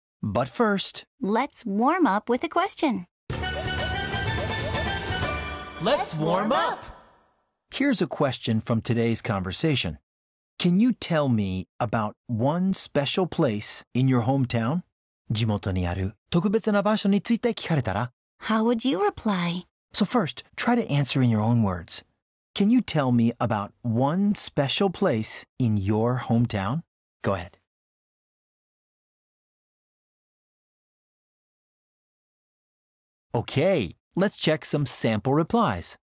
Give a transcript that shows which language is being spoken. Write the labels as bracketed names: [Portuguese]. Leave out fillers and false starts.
[English] But first, let's warm up with a question. Let's warm up! Here's a question from today's conversation. Can you tell me about one special place in your hometown? [Japanese] 地元にある特別な場所について聞かれたら? [English] How would you reply? So first, try to answer in your own words. Can you tell me about one special place in your hometown? Go ahead. Okay. Let's check some sample replies.